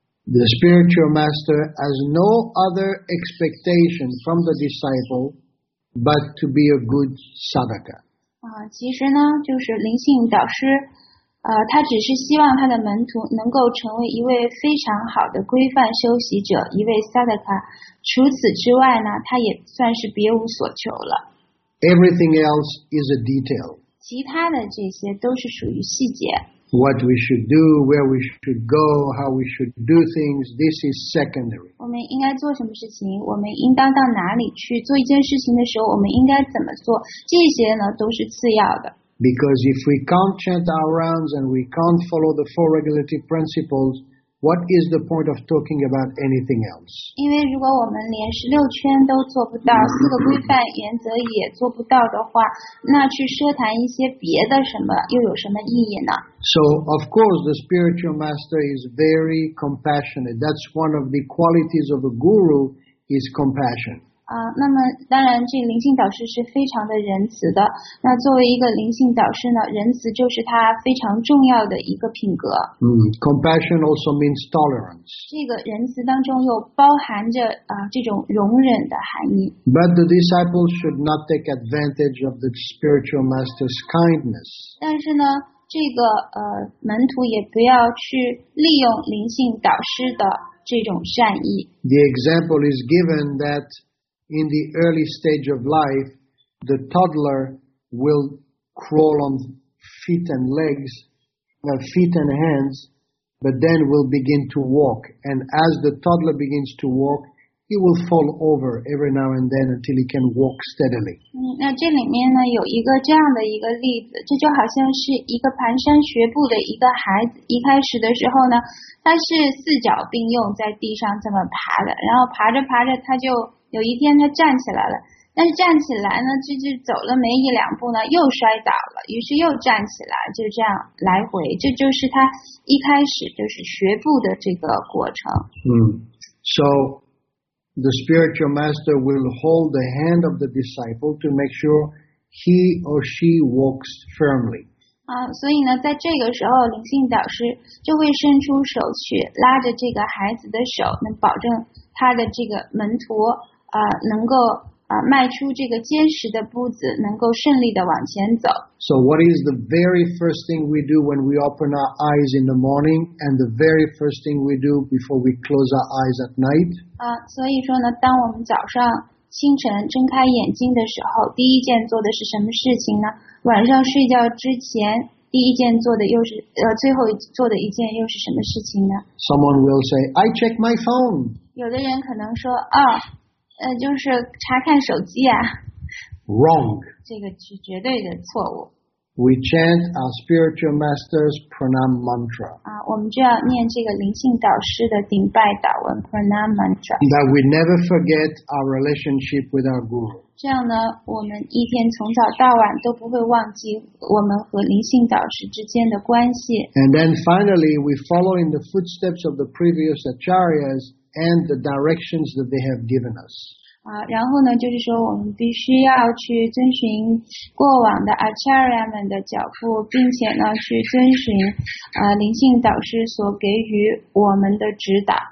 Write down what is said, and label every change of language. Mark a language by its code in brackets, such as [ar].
[en] The spiritual master has no other expectation from the disciple but to be a good sadhaka. [zh] 其实呢就是灵性导师他只是希望他的门徒能够成为一位非常好的规范修习者一位 sadhaka 除此之外呢他也算是别无所求了。 [en] Everything else is a detail. [zh] 其他的这些都是属于细节。 [en] What we should do, where we should go, how we should do things, this is secondary. [zh] 我们应该做什么事情我们应当到哪里去做一件事情的时候我们应该怎么做这些呢都是次要的。 [en] Because if we can't chant our rounds and we can't follow the four regulative principles, what is the point of talking about anything else? [zh] 因为如果我们连十六圈都做不到四个规范原则也做不到的话那去奢谈一些别的什么又有什么意义呢? [en] So, of course, the spiritual master is very compassionate. That's one of the qualities of a guru is compassion. [zh] 那么当然这灵性导师是非常的仁慈的。那作为一个灵性导师呢仁慈就是他非常重要的一个品格。 [en] Compassion also means tolerance. [zh] 这个仁慈当中又包含着这种容忍的含义。 [en] But the disciples should not take advantage of the spiritual master's kindness. [zh] 但是呢这个门徒也不要去利用灵性导师的这种善意。 [en] The example is given that in the early stage of life, the toddler will crawl on feet and legs, feet and hands, but then will begin to walk. And as the toddler begins to walk, he will fall over every now and then until he can walk steadily. [zh] 那这里面呢有一个这样的一个例子，这就好像是一个蹒跚学步的一个孩子，一开始的时候呢，他是四脚并用在地上这么爬的，然后爬着爬着他就有一天他站起来了但是站起来呢就走了没一两步呢又摔倒了于是又站起来就这样来回这就是他一开始就是学步的这个过程。 [en] So, the spiritual master will hold the hand of the disciple to make sure he or she walks firmly. [zh] 所以呢在这个时候灵性导师就会伸出手去拉着这个孩子的手能保证他的这个门徒能够迈出这个坚实的步子能够顺利的往前走。 [en] So what is the very first thing we do when we open our eyes in the morning and the very first thing we do before we close our eyes at night? [zh] 所以说呢当我们早上清晨睁开眼睛的时候第一件做的是什么事情呢晚上睡觉之前第一件做的又是最后做的一件又是什么事情呢 [en] Someone will say, I check my phone. [zh] 有的人可能说哦就是查看手机啊。 [en] Wrong. [zh] 这个是绝对的错误。 [en] We chant our spiritual master's pranam mantra. [zh] 我们就要念这个灵性导师的顶拜祷文 pranam mantra. [en] That we never forget our relationship with our guru. [zh] 这样呢，我们一天从早到晚都不会忘记我们和灵性导师之间的关系。 [en] And then finally, we follow in the footsteps of the previous acharyas and the directions that they have given us. [zh] 然后呢，就是说我们必须要去遵循过往的 Acharya 们的脚步，并且呢，去遵循灵性导师所给予我们的指导。